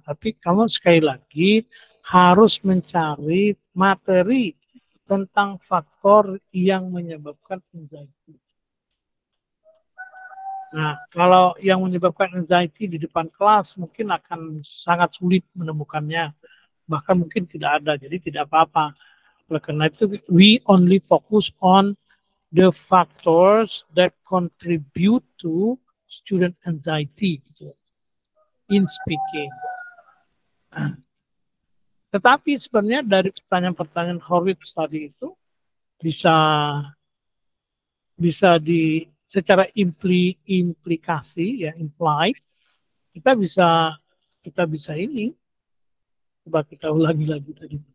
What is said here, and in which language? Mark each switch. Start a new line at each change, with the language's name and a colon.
Indonesian: Tapi kamu sekali lagi harus mencari materi tentang faktor yang menyebabkan anxiety. Nah, kalau yang menyebabkan anxiety di depan kelas, mungkin akan sangat sulit menemukannya. Bahkan mungkin tidak ada, jadi tidak apa-apa. Oleh karena itu,
English: we only focus on the factors that contribute to student anxiety in speaking.
Indonesian: Tetapi sebenarnya dari pertanyaan-pertanyaan Horwitz tadi itu bisa bisa di secara implikasi ya implied kita bisa ini coba kita ulangi lagi tadi.